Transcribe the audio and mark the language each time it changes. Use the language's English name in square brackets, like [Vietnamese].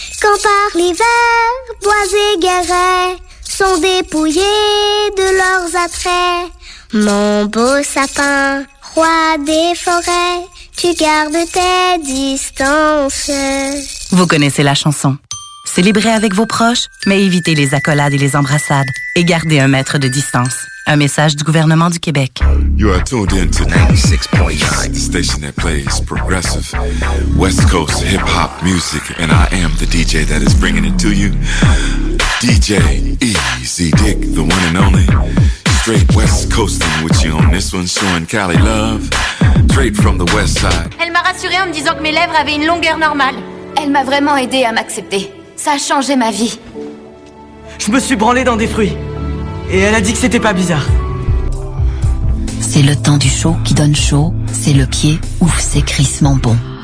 [French] Quand par l'hiver, bois et garets sont dépouillés de leurs attraits. Mon beau sapin, roi des forêts, tu gardes tes distances. Vous connaissez la chanson. Célébrez avec vos proches, mais évitez les accolades et les embrassades. Et gardez un mètre de distance. Un message du gouvernement du Québec. [English] You are tuned in to 96.9, the station that plays progressive West Coast hip-hop music. And I am the DJ that is bringing it to you. DJ Easy Dick, the one and only. Straight West Coasting with you on this one, showing Cali love. Straight from the West Side. [French] Elle m'a rassurée en me disant que mes lèvres avaient une longueur normale. Elle m'a vraiment aidée à m'accepter. Ça a changé ma vie. Je me suis branlé dans des fruits. Et elle a dit que c'était pas bizarre. C'est le temps du chaud qui donne chaud. C'est le pied où c'est crissement bon.